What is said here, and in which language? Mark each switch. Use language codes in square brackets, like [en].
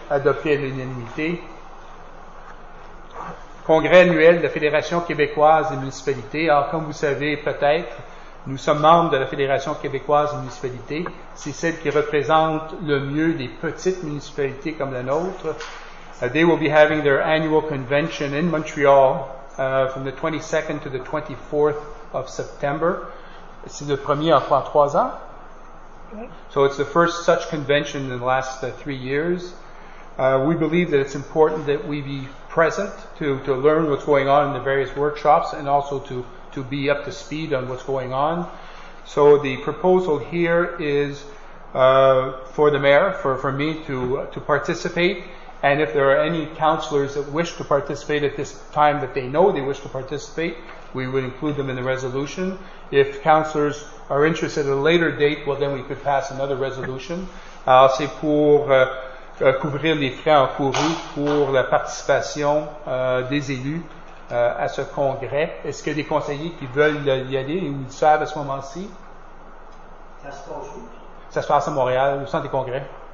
[fr] Adopté à l'unanimité. Congrès annuel de la Fédération québécoise des municipalités. Alors, comme vous savez peut-être, nous sommes membres de la Fédération québécoise des municipalités. C'est celle qui représente le mieux les petites municipalités comme la nôtre. [en] They will be having their annual convention in Montreal from the 22nd to the 24th of September. [fr] C'est le premier en trois ans. [en] So it's the first such convention in the last 3 years. We believe that it's important that we be present to learn what's going on in the various workshops and also to be up to speed on what's going on. So the proposal here is for the mayor, for me to participate. And if there are any councillors that wish to participate at this time that they know they wish to participate, we would include them in the resolution. If councillors are interested at a later date, well, then we could pass another resolution. [fr] Alors, c'est pour couvrir les frais encourus pour la participation des élus à ce congrès. Est-ce qu'il y a des conseillers qui veulent y aller ou ils savent à ce moment-ci? Ça se passe à Montréal, au centre des congrès.